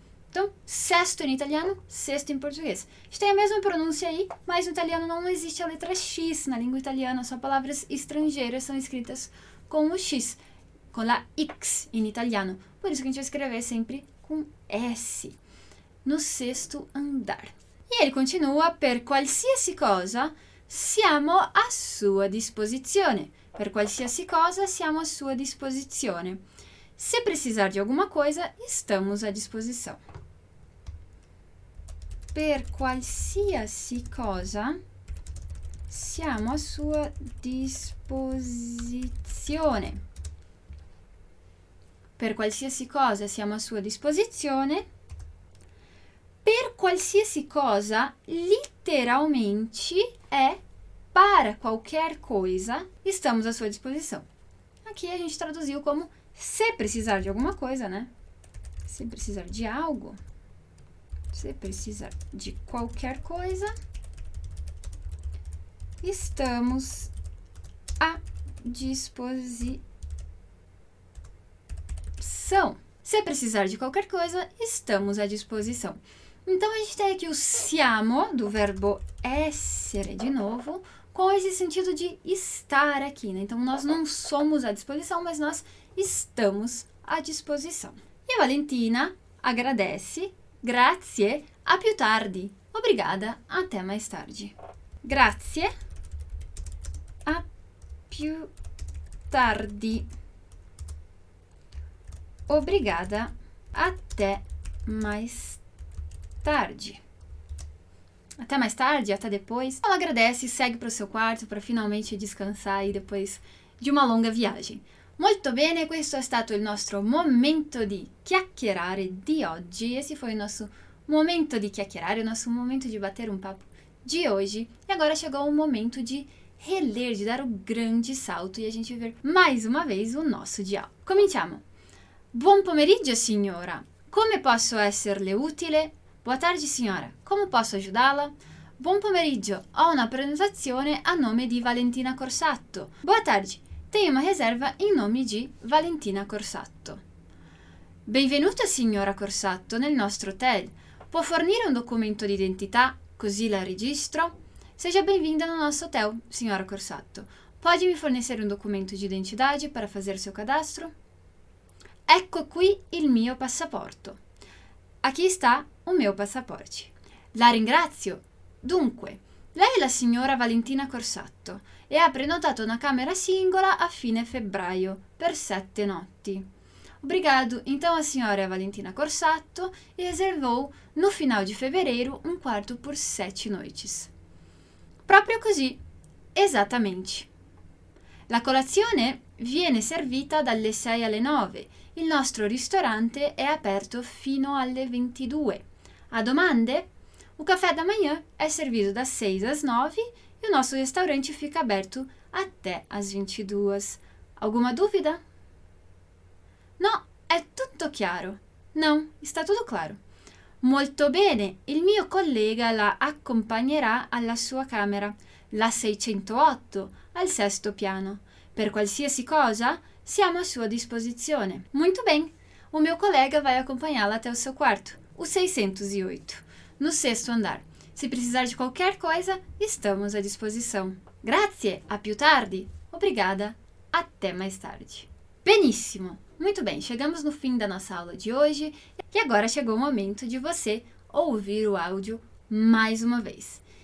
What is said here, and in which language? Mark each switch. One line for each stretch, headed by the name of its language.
Portuguese: Então, sexto em italiano, sexto em português. A gente tem a mesma pronúncia aí, mas no italiano não existe a letra X na língua italiana, só palavras estrangeiras são escritas com o X, com a X em italiano. Por isso que a gente vai escrever sempre com S. No sexto andar. E ele continua,
Italian: per qualsiasi cosa, siamo a sua disposizione. Per qualsiasi cosa, siamo a sua disposizione.
Portuguese: Se precisar de alguma coisa, estamos à disposição.
Italian: Per qualsiasi cosa, siamo a sua disposizione. Per qualsiasi cosa, siamo a sua disposizione. Per qualsiasi cosa,
Portuguese: literalmente, é... Para qualquer coisa, estamos à sua disposição. Aqui a gente traduziu como se precisar de alguma coisa, né? Se precisar de algo. Se precisar de qualquer coisa. Estamos à disposição. Se precisar de qualquer coisa, estamos à disposição. Então, a gente tem aqui o siamo, do verbo essere, de novo, com esse sentido de estar aqui, né? Então, nós não somos à disposição, mas nós estamos à disposição. E a Valentina agradece,
Italian: grazie, a più tardi.
Portuguese: Obrigada, até mais tarde.
Italian: Grazie, a più tardi.
Portuguese: Obrigada, até mais tarde. Até mais tarde, até depois. Ela agradece e segue para o seu quarto para finalmente descansar e depois de uma longa viagem.
Italian: Molto bene, questo è stato il nostro momento di chiacchierare di oggi.
Portuguese: Esse foi o nosso momento
Italian: di chiacchierare,
Portuguese: o nosso momento di bater
Italian: un papo di oggi.
Portuguese: E agora chegou o momento di reler,
Italian: di dare
Portuguese: o grande salto e a gente ver mais uma vez o nosso diálogo.
Italian: Cominciamo! Buon pomeriggio, signora. Come posso esserle utile?
Portuguese: Boa tarde,
Italian: signora. Come posso aiutarla? Buon pomeriggio. Ho una prenotazione a nome di Valentina Corsatto.
Portuguese: Boa tarde. Tenho uma reserva em nome de Valentina Corsatto.
Italian: Benvenuta, signora Corsatto, nel nostro hotel. Può fornire un documento di identità? Così la registro.
Portuguese: Seja bem-vinda no nosso hotel, signora Corsatto. Pode me fornecer um documento de identidade para fazer seu cadastro?
Italian: Ecco qui il mio passaporto.
Portuguese: Aqui está o meu passaporte.
Italian: La ringrazio. Dunque, lei è la signora Valentina Corsatto e ha prenotato una camera singola a fine febbraio per 7 notti.
Portuguese: Obrigado. Então, a signora Valentina Corsatto reservou no final de fevereiro um quarto por 7 noites.
Italian: Proprio così. Esattamente. La colazione viene servita dalle 6 alle 9. Il nostro ristorante è aperto fino alle 22. Ha domande?
Portuguese: O café da manhã è servito da 6 às 9 e o nosso restaurante fica aperto até as 22. Alguma dúvida?
Italian: No, è tutto chiaro.
Portuguese: Não, está tudo claro.
Italian: Molto bene, il mio collega la accompagnerà alla sua camera, la 608, al 6° piano. Per qualsiasi cosa, siamo a sua disposizione.
Portuguese: Muito bem, o meu colega vai acompanhá-la até o seu quarto, o 608, no 6º andar. Se precisar de qualquer coisa, estamos à disposição.
Italian: Grazie, a più tardi.
Portuguese: Obrigada, até mais tarde. Benissimo, muito bem, chegamos no fim da nossa aula de hoje e agora chegou o momento de você ouvir o áudio mais uma vez.